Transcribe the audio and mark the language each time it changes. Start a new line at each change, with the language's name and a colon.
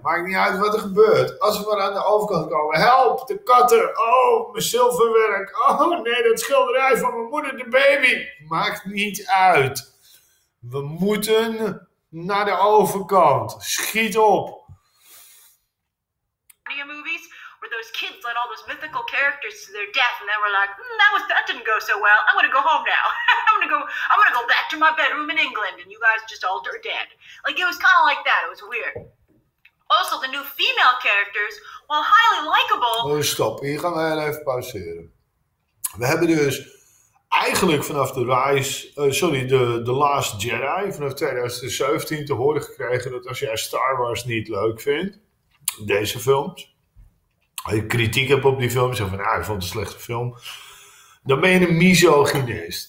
Dutch: Maakt niet uit wat er gebeurt. Als we maar aan de overkant komen, help, de katten. Oh, mijn zilverwerk. Oh nee, dat schilderij van mijn moeder, de baby. Maakt niet uit. We moeten naar de overkant. Schiet op.
English: Narnia movies. Those kids led all those mythical characters to their death, and they were like, that didn't go so well. I'm gonna go home now. I'm gonna go back to my bedroom in England, and you guys just all are dead. Like, it was kind of like that. It was weird. Also, the new female characters, while highly likable. Oh, stop.
Dutch: Hier gaan wij even pauzeren. We hebben dus eigenlijk vanaf The Last Jedi vanaf 2017 te horen gekregen dat als jij Star Wars niet leuk vindt, deze films. Als je kritiek hebt op die film, zeg van, ik vond het een slechte film. Dan ben je een misogynist.